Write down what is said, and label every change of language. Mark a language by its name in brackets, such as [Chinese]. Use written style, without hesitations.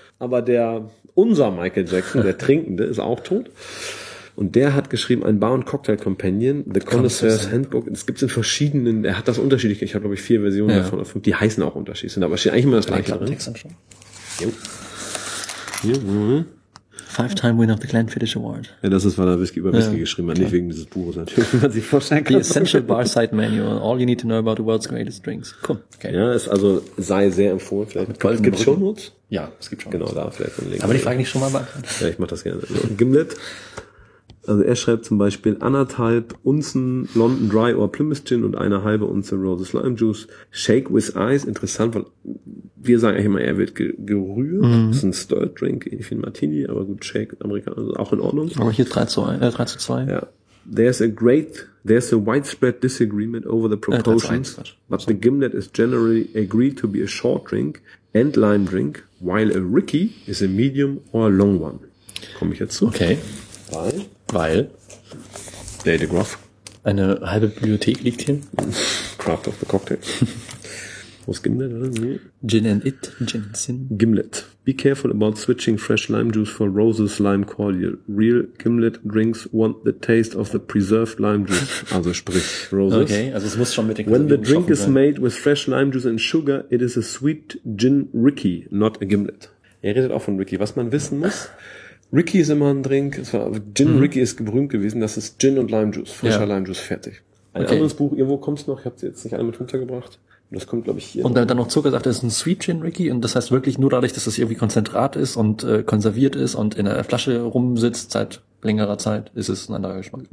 [German] Aber der, unser Michael Jackson, der Trinkende, ist auch tot. Und der hat geschrieben, ein Bar- und Cocktail-Companion, The Connoisseur's Handbook. Das gibt's in verschiedenen, er hat das unterschiedlich. Ich habe, glaube ich, vier Versionen davon, oder fünf. Die heißen auch unterschiedlich. Aber es steht eigentlich immer das gleiche drin. [English] Five-time winner of the Glenfiddich Award. Ja, das ist, weil er Whisky über Whisky geschrieben hat. Nicht wegen dieses Buches natürlich, wie man sich vorstellen kann. The Essential Barside Manual. All you need to know about the world's greatest drinks. Cool. [German] Okay. Ja, ist also, sei sehr empfohlen. Vielleicht. Es gibt schon Notes? Ja, es gibt schon. Genau, da vielleicht. Link. Aber die Frage nicht schon mal beantworten. Ja, ich mach das gerne. So, Gimlet. Also er schreibt zum Beispiel, 1,5 Unzen London Dry or Plymouth Gin und 1,5 Unze Roses Lime Juice. [English] Shake with Ice. [German] Interessant, weil wir sagen eigentlich immer, er wird gerührt. Mhm. Das ist ein Stirred Drink, ähnlich wie ein Martini, aber gut, Shake, Amerikaner, also auch in Ordnung. Aber hier 3:2. Ja. [English] There's a widespread disagreement over the proportions, but the Gimlet is generally agreed to be a short drink and lime drink, while a Ricky is a medium or a long one. [German] Komme ich jetzt zu. Okay. Weil Dave de Groff. Eine halbe Bibliothek liegt hier. Craft of the Cocktail. Wo ist Gimlet? [English] Gin and it. Gin sin. Gimlet. Be careful about switching fresh lime juice for Roses Lime Cordial. Real Gimlet drinks want the taste of the preserved lime juice. [German] Also sprich Roses. Okay, also es muss schon mit den [English] When the drink is made with fresh lime juice and sugar, it is a sweet gin Ricky, not a Gimlet. [German] Er redet auch von Ricky. Was man wissen muss... Ricky ist immer ein Drink, es war, Gin Ricky ist berühmt gewesen, das ist Gin und Lime Juice, frischer Lime Juice, fertig. Ein anderes Buch, irgendwo kommt es noch, ich habe es jetzt nicht alle mit runtergebracht, das kommt glaube ich hier. Und noch. Dann noch Zucker sagt, das ist ein Sweet Gin Ricky und das heißt wirklich nur dadurch, dass es das irgendwie Konzentrat ist und konserviert ist und in einer Flasche rumsitzt seit längerer Zeit, ist es ein anderer Geschmack.